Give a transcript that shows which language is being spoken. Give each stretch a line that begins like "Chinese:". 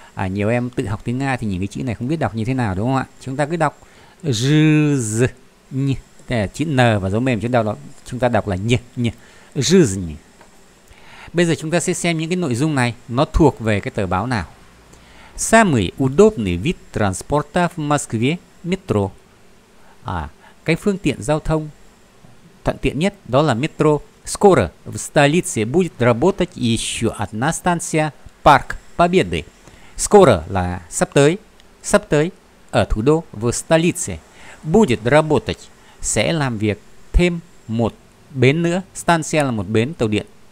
Vietnamese: Nhiều em tự học tiếng Nga thì những cái chữ này không biết đọc như thế нào đúng không ạ? Chúng ta cứ đọc жизнь. Đây là chữ N và dấu mềm, chúng ta đọc là nh.
Russian: Жизнь.
Vietnamese: Bây giờ chúng ta sẽ xem những cái nội dung này nó thuộc về cái tờ báo nào.
Russian: Самый удобный вид транспорта в Москве метро.
Vietnamese: Cái phương tiện giao thông thuận tiện nhất đó là метро.
Russian: Скоро в столице будет работать еще одна станция Парк Победы.
Vietnamese: Скоро là sắp tới. Sắp tới ở thủ đô,
Russian: в столице будет работать,
Vietnamese: sẽ làm việc thêm một bến nữa. Станция là một bến tàu điện.